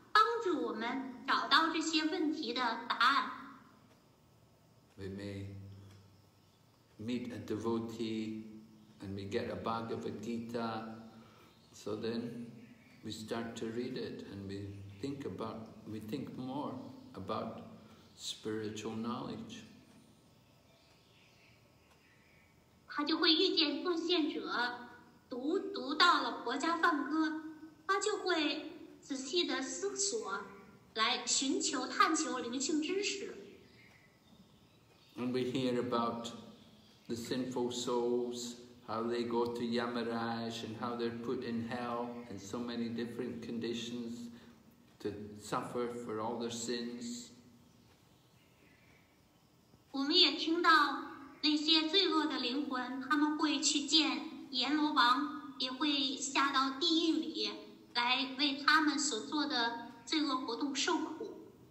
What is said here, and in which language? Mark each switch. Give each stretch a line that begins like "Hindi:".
Chinese: 在那个时候，超灵就会给予指导，帮助我们找到这些问题的答案。
English: We may meet a devotee and we get a Bhagavad Gita, so then we start to read it and we think more. About spiritual knowledge.
Chinese: 他就会遇见奉献者，读到了国家梵歌，他就会仔细的思索，来寻求探求灵性知识。
English: And we hear about the sinful souls, how they go to Yamaraj and how they're put in hell in so many different conditions to suffer for all their sins.
Chinese: 我们也听到那些罪恶的灵魂，他们会去见阎罗王，也会下到地狱里来为他们所做的罪恶活动受苦。